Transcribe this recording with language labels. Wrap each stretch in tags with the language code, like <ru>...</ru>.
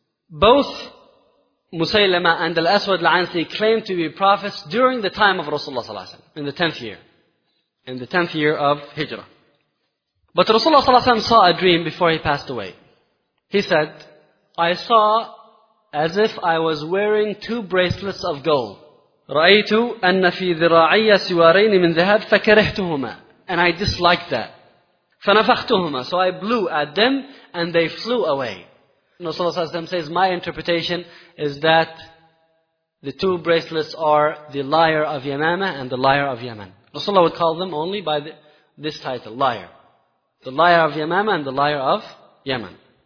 <en>Both Musaylamah and Al-Aswad al-Ansi claimed to be prophets during the time of Rasulullah sallallahu alaihi wasallam, in the 10th year of Hijrah. But Rasulullah sallallahu alaihi wasallam saw a dream before he passed away. He said, I saw as if I was wearing two bracelets of gold.</en> <ar>رأيت أن في ذراعي سوارين من ذهب فكرهتهما.</ar> <en>And I disliked that.</en> <ar>فنفختهما.</ar> <en>So I blew at them and they flew away. Rasulullah sallallahu alayhi wa sallam says, my interpretation is that the two bracelets are the liar of Yamamah and the liar of Yemen. Rasulullah would call them only by this title, liar. The liar of Yamamah and the liar of Yemen.</en>